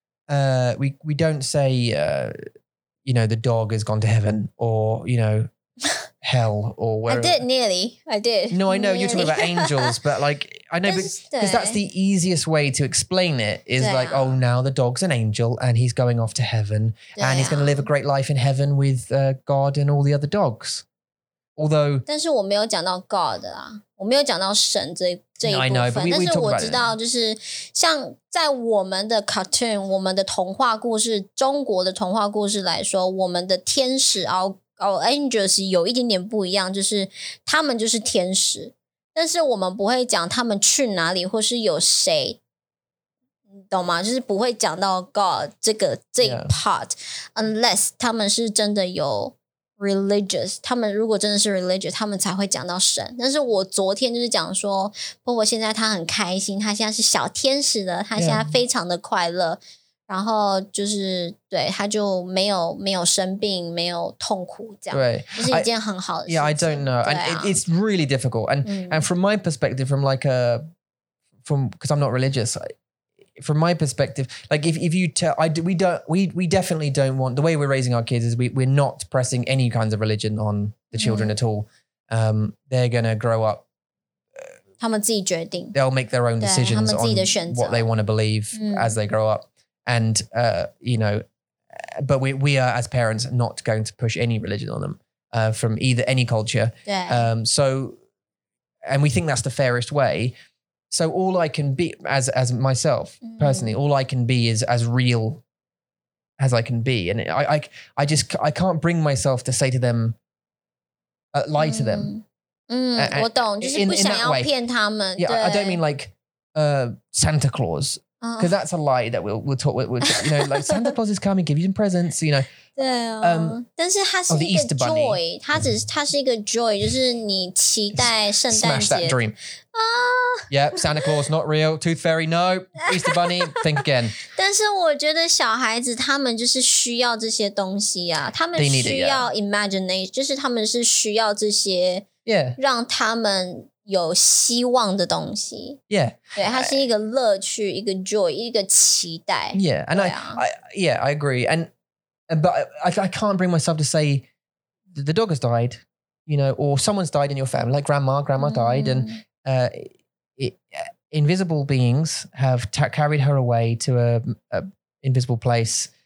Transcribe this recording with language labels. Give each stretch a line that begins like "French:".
English: We don't say, you know, the dog has gone to heaven or, you know, hell or wherever. I did. No, I know you're talking about angels, but like, I know, because that's the easiest way to explain it is like, oh, now the dog's an angel and he's going off to heaven and he's going to live a great life in heaven with God and all the other dogs. Although...
Chinese: 但是我没有讲到 God 啦，我没有讲到神这一部分。
English: No, I know, but we talk about
Chinese: it. 但是我知道就是像在我们的 cartoon, 我们的童话故事，中国的童话故事来说，我们的天使
English: our angels
Chinese: 有一点点不一样，就是他们就是天使，但是我们不会讲他们去哪里或是有谁，懂吗？就是不会讲到 God 这一 part, unless 他们是真的有religious, 他们如果真的是 religious, 他们才会讲到神。但是我昨天就是讲说，婆婆现在她很开心，她现在是小天使的，她现在非常的快乐。然后就是对，她就没有生病，没有痛苦这样。对，就是一件很好的事情。
English: Yeah, I don't know. And it's really difficult. And,、嗯、and from my perspective, from like a, from, because I'm not religious, from my perspective, like if you tell, we definitely don't want, the way we're raising our kids is we're not pressing any kinds of religion on the children at all. They're going to grow up.
Chinese: 他们自己决定。
English: They'll make their own decisions on what they want to believe as they grow up. And, you know, but we are as parents not going to push any religion on them from either any culture. So, and we think that's the fairest way. So all I can be as myself personally, all I can be is as real as I can be. And I can't bring myself to say to them, lie to them.
Chinese: 我懂，就是不想要骗他们。
English: Yeah, I don't mean like Santa Claus, because that's a lie that we'll talk with, you know, like Santa Claus is coming, give you some presents, you know.
Chinese: 对哦，但是它是一个 joy, 它是一个 joy, 就是你期待圣诞节。
English: Smash that dream. Yep, Santa Claus, not real. Tooth Fairy, no. Easter Bunny, think again.
Chinese: 但是我觉得小孩子他们就是需要这些东西啊，他们需要 imagination, 就是他们是需要这些让他们有希望的东西。
English: Yeah.
Chinese: 对，它是一个乐趣，一个 joy, 一个期待。
English: Yeah, and I agree. AndBut I can't bring myself to say the dog has died, you know, or someone's died in your family, like grandma died, and invisible beings have carried her away to a invisible place.